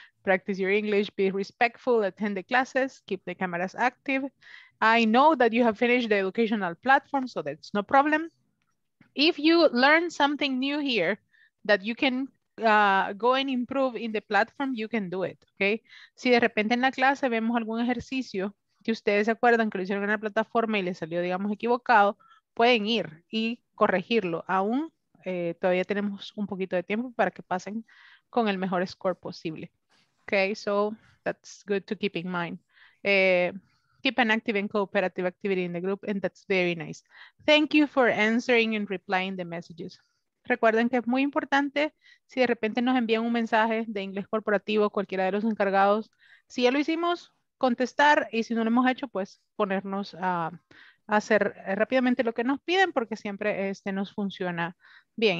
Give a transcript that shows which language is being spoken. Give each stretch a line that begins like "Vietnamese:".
English: Practice your English, be respectful, attend the classes, keep the cameras active. I know that you have finished the educational platform, so that's no problem. If you learn something new here that you can go and improve in the platform, you can do it, okay?
Spanish: Si de repente en la clase vemos algún ejercicio que ustedes se acuerdan que lo hicieron en la plataforma y les salió, digamos, equivocado, pueden ir y corregirlo. Aún todavía tenemos un poquito de tiempo para que pasen con el mejor score posible.
English: Okay, so that's good to keep in mind. Keep an active and cooperative activity in the group, and that's very nice. Thank you for answering and replying the messages.
Spanish: Recuerden que es muy importante, si de repente nos envían un mensaje de inglés corporativo, cualquiera de los encargados, si ya lo hicimos, contestar, y si no lo hemos hecho, pues ponernos a hacer rápidamente lo que nos piden, porque siempre este nos funciona bien.